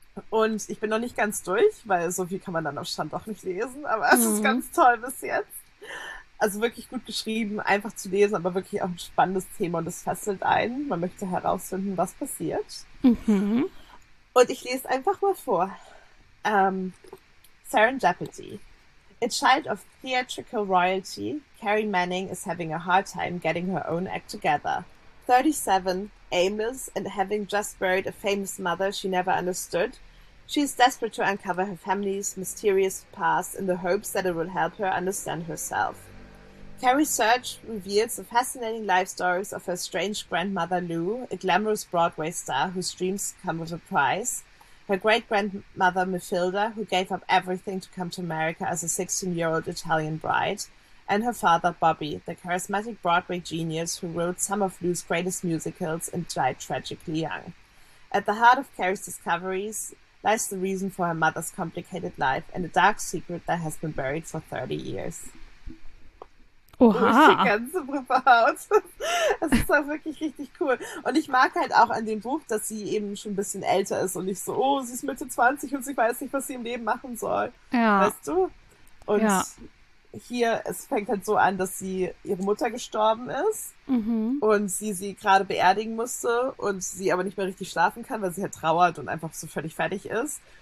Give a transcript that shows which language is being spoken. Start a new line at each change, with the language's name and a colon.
German: Und ich bin noch nicht ganz durch, weil so viel kann man dann am Stand auch nicht lesen. Aber es ist ganz toll bis jetzt. Also wirklich gut geschrieben, einfach zu lesen, aber wirklich auch ein spannendes Thema und es fesselt einen. Man möchte herausfinden, was passiert. Und ich lese einfach mal vor.
English: Serendipity. A child of theatrical royalty, Carrie Manning is having a hard time getting her own act together. 37, aimless, and having just buried a famous mother she never understood, she is desperate to uncover her family's mysterious past in the hopes that it will help her understand herself. Carrie's search reveals the fascinating life stories of her estranged grandmother Lou, a glamorous Broadway star whose dreams come with a price, her great-grandmother Mathilda, who gave up everything to come to America as a 16-year-old Italian bride, and her father Bobby, the charismatic Broadway genius who wrote some of Lou's greatest musicals and died tragically young. At the heart of Carrie's discoveries lies the reason for her mother's complicated life and a dark secret that has been buried for 30 years.
German: Durch die Oha. ganze Bruchhaut. Es ist auch wirklich richtig cool. Und ich mag halt auch an dem Buch, dass sie eben schon ein bisschen älter ist und nicht so, oh, sie ist Mitte 20 und sie weiß nicht, was sie im Leben machen soll. Ja. Weißt du? Ja. Und hier, es fängt halt so an, dass sie ihre Mutter gestorben ist und sie gerade beerdigen musste und sie aber nicht mehr richtig schlafen kann, weil sie halt trauert und einfach so völlig fertig ist.